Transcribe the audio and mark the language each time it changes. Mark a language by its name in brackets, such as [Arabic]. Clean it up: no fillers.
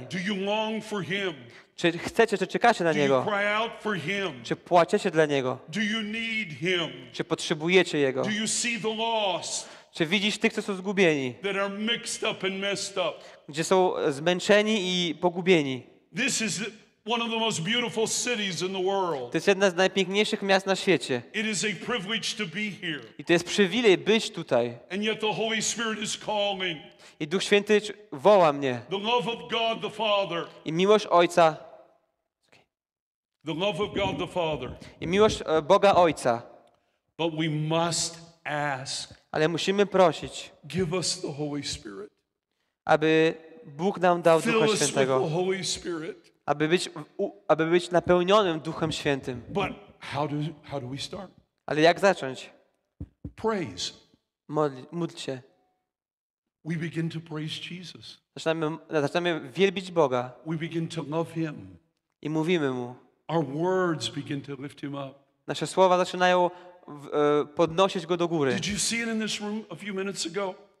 [English] Do you long for him? [Polish] Czy chcecie, czy czekacie na Niego? [English] Do you cry out for him? [Polish] Czy płaczecie dla Niego? [English] Do you need him? [Polish] Czy potrzebujecie Jego? [English] Do you see the lost? [Polish] Czy widzisz tych, co są zgubieni? [English] That are mixed up and messed up? [Polish] Gdzie są zmęczeni i pogubieni? [English] This is one of the most beautiful cities in the world. [Polish] To jest jedna z najpiękniejszych miast na świecie. [English] It is a privilege to be here. [Polish] I to jest przywilej być tutaj. [English] And yet the Holy Spirit is calling. [Polish] I Duch Święty woła mnie. [English] The love of God the Father. [Polish] I miłość Ojca. [English] The love of God the Father. [Polish] I miłość Boga Ojca. [English] But we must ask. [Polish] Ale musimy prosić. [English] Give us the Holy Spirit. [Polish] Aby Bóg nam dał Ducha Świętego. [English] Fill us with the Holy Spirit. [Polish] Aby być napełnionym Duchem Świętym. [English] But how do we start? [Polish] Ale jak zacząć? [English] Praise. [Polish] Módl się. [English] We begin to praise Jesus. [Polish] Zaczynamy wielbić Boga. [English] We begin to love him. [Polish] I mówimy mu. [English] Our words begin to lift him up. [Polish] Nasze słowa zaczynają podnosić go do góry. [English] Did you see it in this room a few minutes ago?